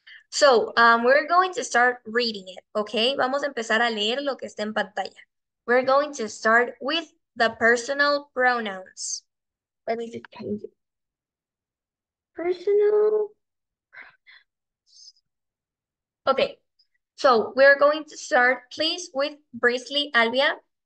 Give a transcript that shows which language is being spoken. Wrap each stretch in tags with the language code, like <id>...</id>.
<en>So, we're going to start reading it, okay?</en> <es>Vamos a empezar a leer lo que está en pantalla.</es> <en>We're going to start with the personal pronouns. Let me just change it. Personal pronouns. Ok. So, we're going to start, please, with Brisley Albia.</en>